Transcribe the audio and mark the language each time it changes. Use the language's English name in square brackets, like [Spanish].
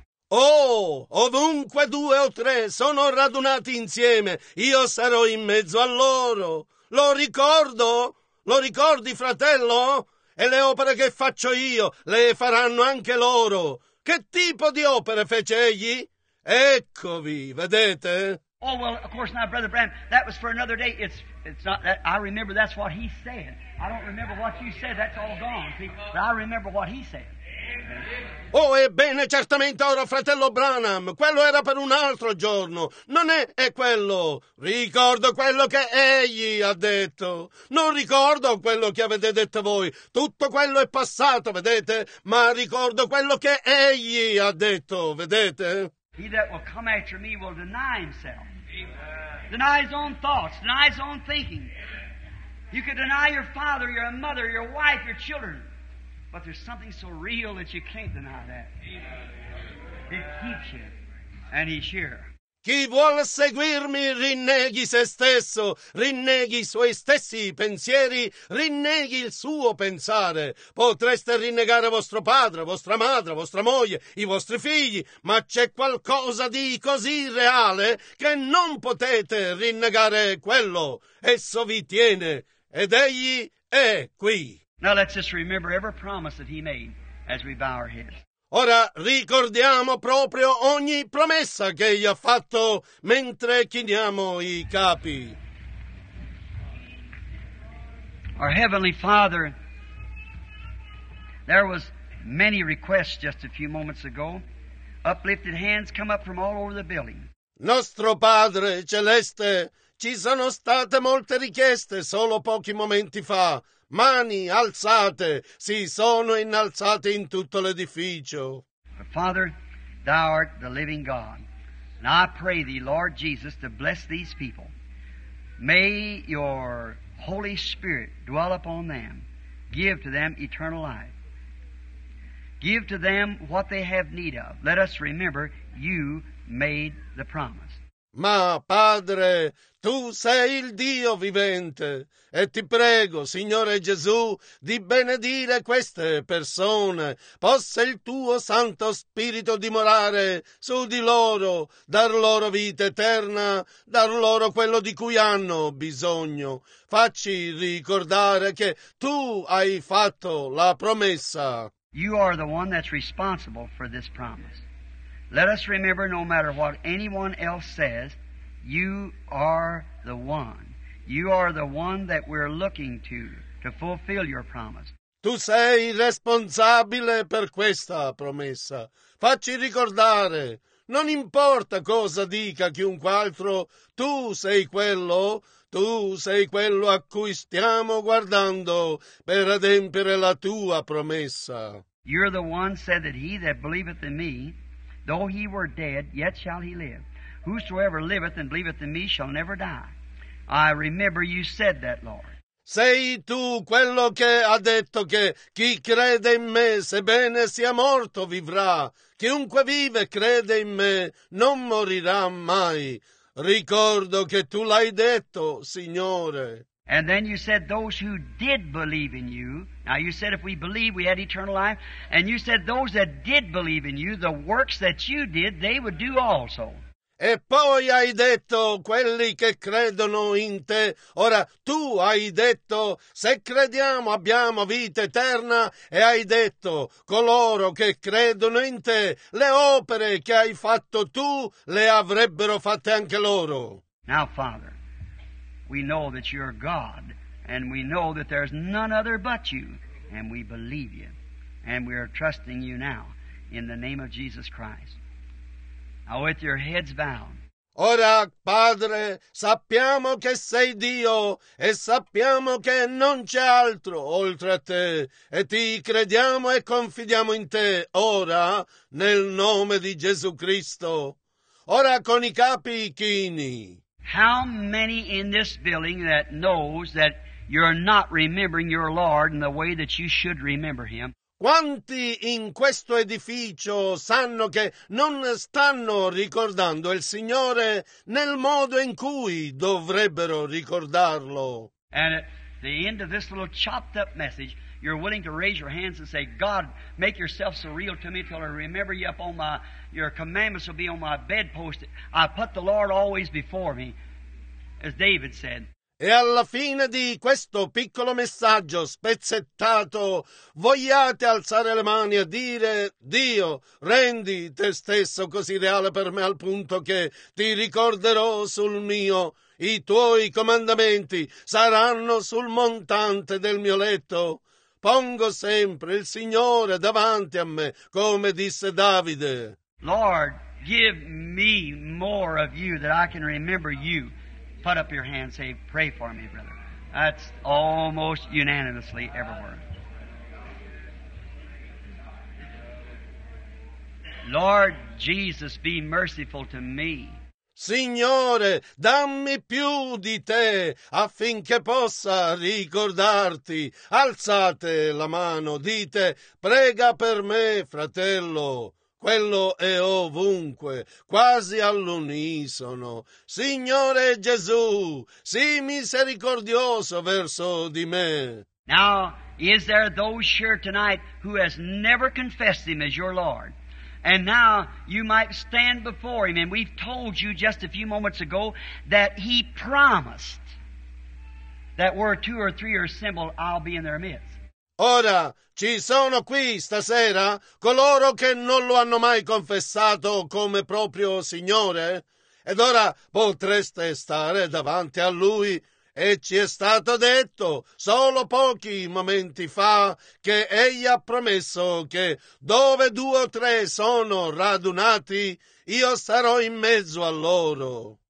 [Italian] Oh, ovunque due o tre sono radunati insieme, io sarò in mezzo a loro. Lo ricordo? Lo ricordi, fratello? E le opere che faccio io le faranno anche loro. Che tipo di opere fece egli? Eccovi, vedete? [English] Oh, well, of course not, Brother Branham. That was for another day. It's not that. I remember that's what he said. I don't remember what you said. That's all gone. See? But I remember what he said. [Italian] Oh, ebbene, certamente ora, fratello Branham, quello era per un altro giorno. Non è quello. Ricordo quello che egli ha detto. Non ricordo quello che avete detto voi. Tutto quello è passato, vedete? Ma ricordo quello che egli ha detto, vedete? [English] He that will come after me will deny himself. Deny his own thoughts, deny his own thinking. You could deny your father, your mother, your wife, your children. But there's something so real that you can't deny that. It keeps you. And he's here. [Italian] Chi vuole seguirmi rinneghi se stesso, rinneghi i suoi stessi pensieri, rinneghi il suo pensare. Potreste rinnegare vostro padre, vostra madre, vostra moglie, i vostri figli, ma c'è qualcosa di così reale che non potete rinnegare quello. Esso vi tiene ed egli è qui. [English] Now let's just remember every promise that he made as we bow our heads. [Italian] Ora ricordiamo proprio ogni promessa che egli ha fatto mentre chiniamo i capi. [English] Our Heavenly Father, there was many requests just a few moments ago. Uplifted hands come up from all over the building. [Italian] Nostro Padre Celeste, ci sono state molte richieste solo pochi momenti fa. Mani alzate, si sono innalzate in tutto l'edificio. [English] Father, thou art the living God. And I pray thee, Lord Jesus, to bless these people. May your Holy Spirit dwell upon them. Give to them eternal life. Give to them what they have need of. Let us remember, you made the promise. [Italian] Ma, Padre, Tu sei il Dio vivente e ti prego, Signore Gesù, di benedire queste persone. Possa il Tuo Santo Spirito dimorare su di loro, dar loro vita eterna, dar loro quello di cui hanno bisogno. Facci ricordare che Tu hai fatto la promessa. [English] You are the one that's responsible for this promise. Let us remember, no matter what anyone else says, you are the one. You are the one that we're looking to fulfill your promise. [Italian] Tu sei responsabile per questa promessa. Facci ricordare, non importa cosa dica chiunque altro, tu sei quello a cui stiamo guardando per adempiere la tua promessa. [English] You're the one said that he that believeth in me, though he were dead, yet shall he live. Whosoever liveth and believeth in me shall never die. I remember you said that, Lord. [Italian] Sei tu quello che ha detto che chi crede in me, sebbene sia morto, vivrà. Chiunque vive e crede in me non morirà mai. Ricordo che tu l'hai detto, Signore. [English] And then you said those who did believe in you. Now you said if we believe, we had eternal life. And you said those that did believe in you, the works that you did, they would do also. [Italian] E poi hai detto, quelli che credono in te. Ora, tu hai detto, se crediamo abbiamo vita eterna. E hai detto, coloro che credono in te, le opere che hai fatto tu, le avrebbero fatte anche loro. [English] Now, Father, we know that you're God. And we know that there's none other but you. And we believe you. And we are trusting you now, in the name of Jesus Christ. Now with your heads bowed. [Italian] Ora, Padre, sappiamo che sei Dio e sappiamo che non c'è altro oltre a te e ti crediamo e confidiamo in te, ora, nel nome di Gesù Cristo. Ora con i capi chini. [English] How many in this building that knows that you're not remembering your Lord in the way that you should remember him? [Italian] Quanti in questo edificio sanno che non stanno ricordando il Signore nel modo in cui dovrebbero ricordarlo? [English] And at the end of this little chopped up message, you're willing to raise your hands and say, God, make yourself so real to me till I remember you up on my, your commandments will be on my bedpost. I put the Lord always before me, as David said. [Italian] E alla fine di questo piccolo messaggio spezzettato, vogliate alzare le mani e dire, Dio, rendi te stesso così reale per me al punto che ti ricorderò sul mio, i tuoi comandamenti saranno sul montante del mio letto. Pongo sempre il Signore davanti a me, come disse Davide. [English] Lord, give me more of you that I can remember you. Put up your hand and say, pray for me, brother. That's almost unanimously everywhere. Lord Jesus, be merciful to me. [Italian] Signore, dammi più di te affinché possa ricordarti. Alzate la mano, dite, prega per me, fratello. Quello è ovunque, quasi all'unisono. Signore Gesù, sii misericordioso verso di me. [English] Now, is there those here tonight who has never confessed him as your Lord? And now you might stand before him, and we've told you just a few moments ago that he promised that where two or three are assembled, I'll be in their midst. [Italian] Ora, ci sono qui stasera coloro che non lo hanno mai confessato come proprio Signore? Ed ora potreste stare davanti a Lui e ci è stato detto solo pochi momenti fa che Egli ha promesso che dove due o tre sono radunati, io sarò in mezzo a loro.